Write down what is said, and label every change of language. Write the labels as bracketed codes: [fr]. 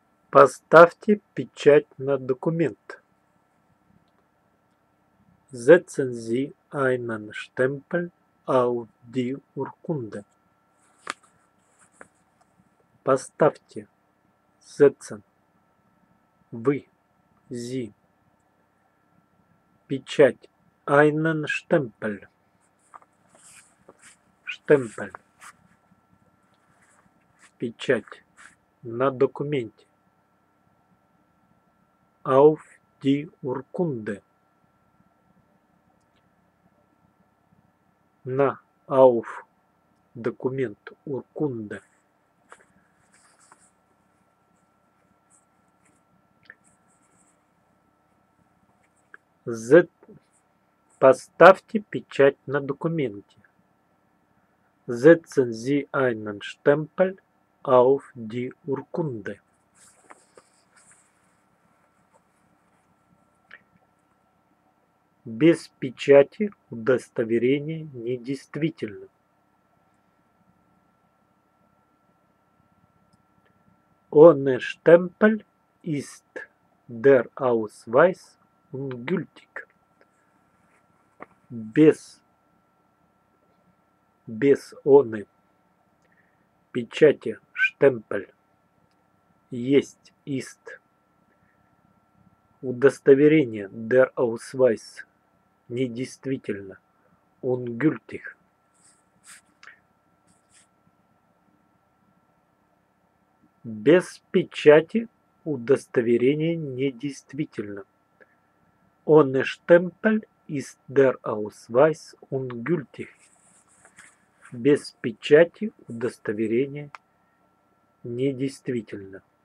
[ru] Поставьте печать на документ. [de] Setzen Sie einen Stempel auf die Urkunde. [ru] Поставьте. [de] Setzen. [ru] Вы. [de] Sie. [ru] Печать. [de] Einen Stempel. Stempel. [ru] Печать. На документе. [de] Auf die Urkunde. [ru] На [de] auf [ru] документ [de] Urkunde. [ru] Поставьте печать на документе. [de] Setzen Sie einen Stempel auf die Urkunde. [ru] Без печати удостоверение недействительно. [de] Ohne Stempel ist der Ausweis ungültig. [ru] Без [de] ohne [ru] печати [de] Stempel [ru] есть [de] ist [ru] удостоверение [de] der Ausweis [ru] недействительно, [de] ungültig. [ru] Без печати удостоверение недействительно. [de] Ohne Stempel ist der Ausweis ungültig. [ru] Без печати удостоверение недействительно.